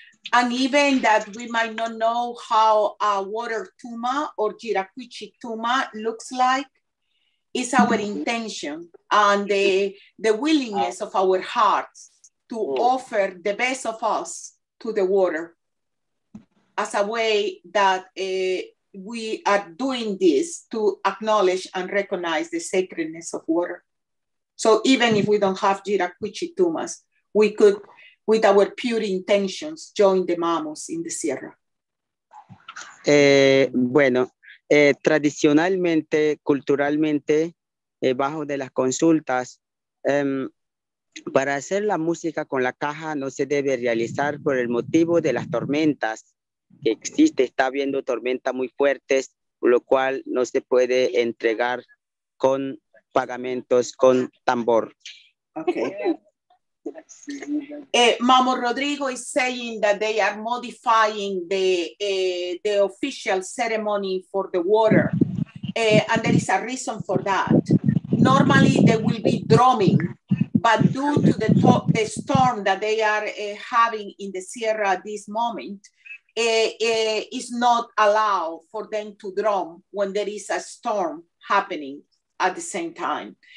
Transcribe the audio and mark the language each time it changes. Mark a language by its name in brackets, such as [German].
[English] And even that we might not know how a water tuma or jirakuchi tuma looks like, is our intention and the willingness of our hearts to offer the best of us to the water as a way that we are doing this to acknowledge and recognize the sacredness of water. So even if we don't have jirakuchi tumas, we could, with our pure intentions, join the mamos in the Sierra. [Spanish] Bueno, tradicionalmente, culturalmente, bajo de las consultas, para hacer la música con la caja no se debe realizar por el motivo de las tormentas. Que existe, está habiendo tormentas muy fuertes, lo cual no se puede entregar con pagamentos, con tambor. [English] Okay. Mamo Rodrigo is saying that they are modifying the official ceremony for the water, and there is a reason for that. Normally, there will be drumming, but due to the storm that they are having in the Sierra at this moment, is not allowed for them to drum when there is a storm happening at the same time.